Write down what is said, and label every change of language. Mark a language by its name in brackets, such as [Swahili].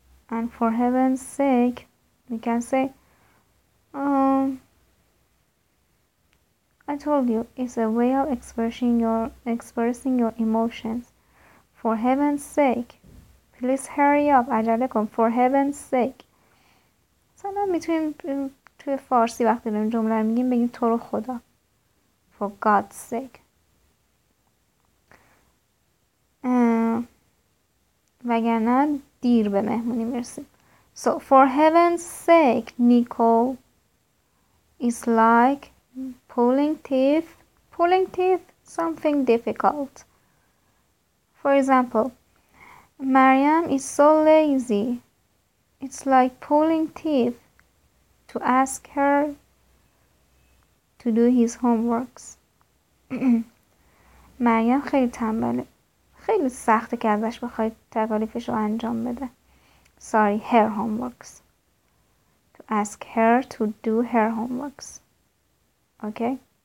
[English] And for heaven's sake, we can say, I told you, it's a way of expressing your emotions. For heaven's sake, please hurry up. [Persian] عجله کن. [English] For heaven's sake. [Persian] مثلا میتونیم توی فارسی وقتی داریم جمله رو میگیم بگیم تو رو خدا. [English] For God's sake. [Persian] وگرنه دیر به مهمونی میرسیم. [English] So, for heaven's sake, Nicole, is like pulling teeth. Pulling teeth, something difficult. For example, Mariam is so lazy. It's like pulling teeth to ask her to do his homeworks. [Persian] Mariam خیلی تنبله. خیلی سخته که ازش بخواید تکالیفش رو انجام بده. [English] Sorry, her homeworks. To ask her to do her homeworks. Okay?